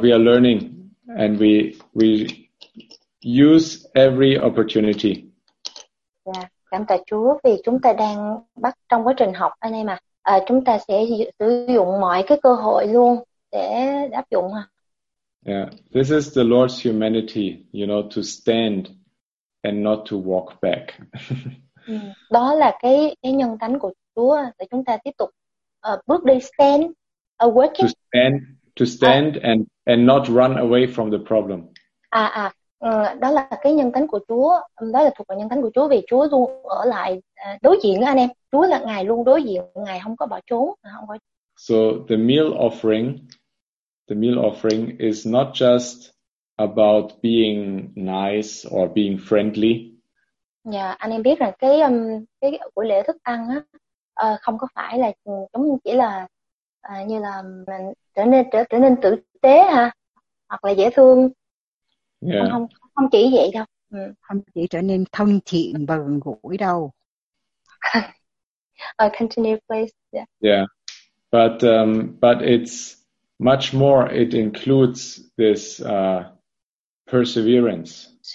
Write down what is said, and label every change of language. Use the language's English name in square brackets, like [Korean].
[English] We are learning and we use every opportunity. [Vietnamese] Yeah, cảm tạ Chúa vì chúng ta đang bắt trong quá trình học anh em ạ. Chúng ta sẽ sử dụng mọi cái cơ hội luôn để áp dụng. [English] Yeah, this is the Lord's humanity, you know, to stand and not to walk back. [Vietnamese] Đó là cái nhân tánh của Chúa để chúng ta tiếp tục bước đi [English] stand, working. To stand and not run away from the problem. [Vietnamese] Đó là cái nhân tánh của Chúa, đó là thuộc về nhân tánh của Chúa vì Chúa luôn ở lại đối diện anh em. Chúa là Ngài luôn đối diện, Ngài không có bỏ trốn, không có. [English] So the meal offering is not just about being nice or being friendly. [Vietnamese] Yeah, anh em biết rằng cái buổi lễ thức ăn á không có phải là giống như chỉ là như là mình trở nên tử tế ha, hoặc là dễ thương. [English] Yeah. [Vietnamese] Không chỉ vậy đâu. Không chỉ trở nên thân thiện và gần gũi đâu. [English] Continue please. Yeah. Yeah. But it's much more, it includes this perseverance.